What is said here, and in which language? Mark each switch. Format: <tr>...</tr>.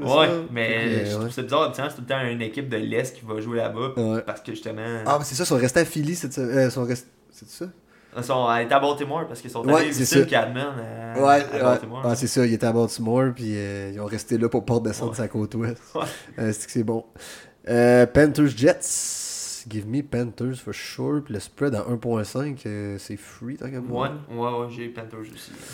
<fr>Ouais, mais c'est bizarre, c'est tout le temps une équipe de l'Est qui va jouer là-bas. Ouais. Parce que justement. Ah mais c'est ça, ils sont restés à Philly cette semaine. C'est ça? Ils sont allés à Baltimore parce qu'ils sont allés visiter le Cadman à Baltimore. Ah, c'est ça, ils étaient à Baltimore puis ils ont resté là pour pas descendre sa côte ouest. Ouais. C'est que c'est bon.</fr> <en>Panthers Jets, give me Panthers for sure.</en> <fr>Puis le spread à 1.5, c'est free tant qu'à moi. Ouais, j'ai Panthers aussi.</fr>